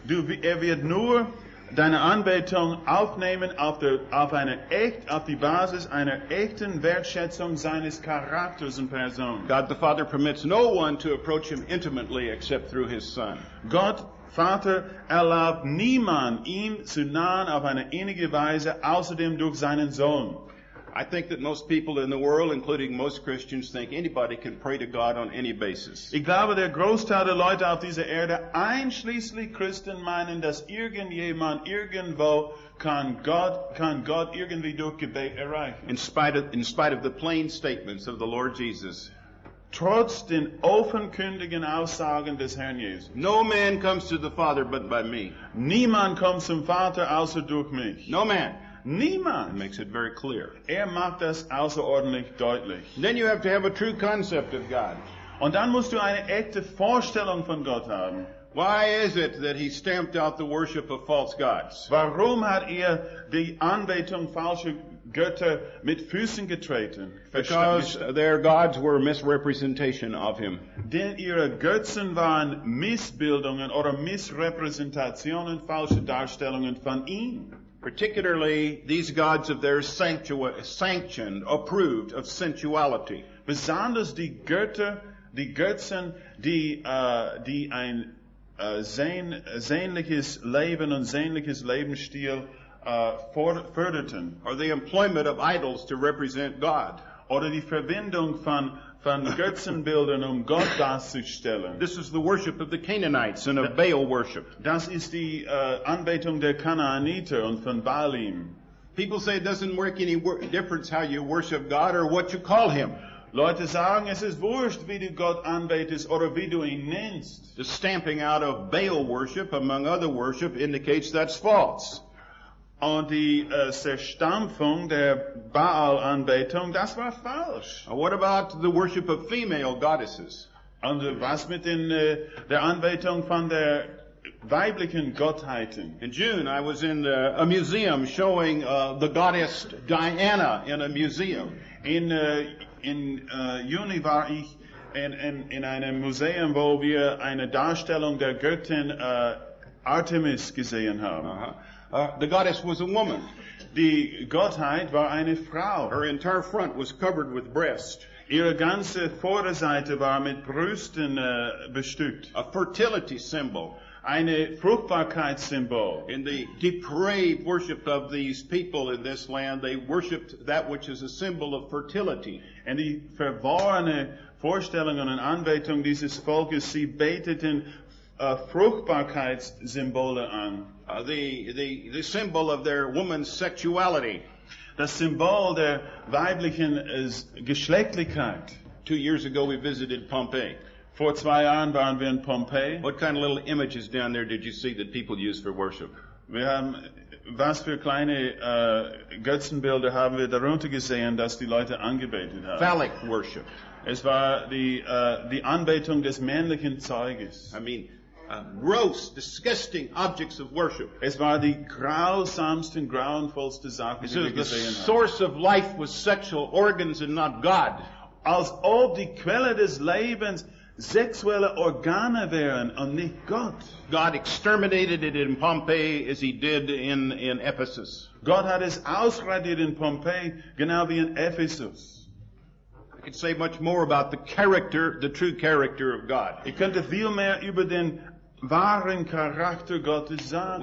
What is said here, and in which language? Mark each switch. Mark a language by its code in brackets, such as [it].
[de] Er wird nur deine Anbetung aufnehmen auf die Basis einer echten Wertschätzung seines Charakters und Person. [en] God the Father permits no one to approach Him intimately except through His Son. [de] Gott Vater erlaubt niemand, ihm zu nahen auf eine innige Weise, außerdem durch seinen Sohn. [en] I think that most people in the world, including most Christians, think anybody can pray to God on any basis. [de] Ich glaube, der Großteil der Leute auf dieser Erde, einschließlich Christen, meinen, dass irgendjemand irgendwo kann Gott irgendwie durch Gebet erreichen. [en] In spite of the plain statements of the Lord Jesus. [de] Trotz den offenkundigen Aussagen des Herrn Jesus. [en] No man comes to the Father but by me. [de] Niemand kommt zum Vater außer durch mich. [en] No man. [de] Niemand. [en] It makes it very clear. [de] Macht das außerordentlich deutlich. [en] Then you have to have a true concept of God. [de] Und dann musst du eine echte Vorstellung von Gott haben. [en] Why is it that He stamped out the worship of false gods? [de] Warum hat die Anbetung falscher Götter mit Füßen getreten? [en] Because their gods were misrepresentation of Him. [de] Denn ihre Götzen waren Missbildungen oder Missrepräsentationen, falsche Darstellungen von ihm. [en] Particularly, these gods of theirs sanctioned, approved of sensuality. [de] Besonders die Götzen, die ein sehnliches Leben und sehnliches Lebensstil förderten. [en] Or the employment of idols to represent God. [de] Oder die Verwendung von Götzenbildern, Gott darzustellen. [en] This is the worship of the Canaanites and of Baal worship. [de] Das ist die Anbetung der Kanaaniter und von Baalim. [en] People say it doesn't make any difference how you worship God or what you call Him. [de] Leute sagen, es ist wurscht, wie du Gott anbetest oder wie du ihn nennst. [en] The stamping out of Baal worship, among other worship, indicates that's false. [de] Und die Zerstampfung der Baal-Anbetung, das war falsch. [en] What about the worship of female goddesses? [de] Und was mit der Anbetung von der weiblichen Gottheiten? [en] In June, I was in a museum showing the goddess Diana in a museum. [de] In Juni war ich in einem Museum, wo wir eine Darstellung der Göttin Artemis gesehen haben. [en] Uh-huh. The goddess was a woman. [de] Die Gottheit war eine Frau. [en] Her entire front was covered with breasts. [de] Ihre ganze Vorderseite war mit Brüsten bestückt. [en] A fertility symbol. [de] Eine Fruchtbarkeitssymbol. [en] In the depraved worship of these people in this land, they worshipped that which is a symbol of fertility. [de] Und die verworrene Vorstellung und Anbetung dieses Volkes, sie beteten Fruchtbarkeitssymbole an. [en] The symbol of their woman's sexuality. [de] Das Symbol der weiblichen Geschlechtlichkeit. [en] 2 years ago we visited Pompeii. [de] Vor 2 Jahren waren wir in Pompeji. [en] What kind of little images down there did you see that people use for worship? [de] Wir haben, was für kleine Götzenbilder haben wir darunter gesehen, dass die Leute angebetet haben. [en] Phallic worship. [de] Es war die Anbetung des männlichen Zeuges. [en] I mean, gross, disgusting objects of worship. [de] Es war die grausamsten, grauenvollsten Sachen, die wir gesehen haben. [en] The source of life was sexual organs and not God. [de] Als ob die Quelle des Lebens sexuelle Organe wären und nicht Gott. [en] God exterminated it in Pompeii as He did in Ephesus. [de] Gott hat es ausradiert in Pompeii, genau wie in Ephesus. [en] I could say much more about the true character of God. [de] Ich könnte viel mehr über den wahren Charakter Gottes sagen.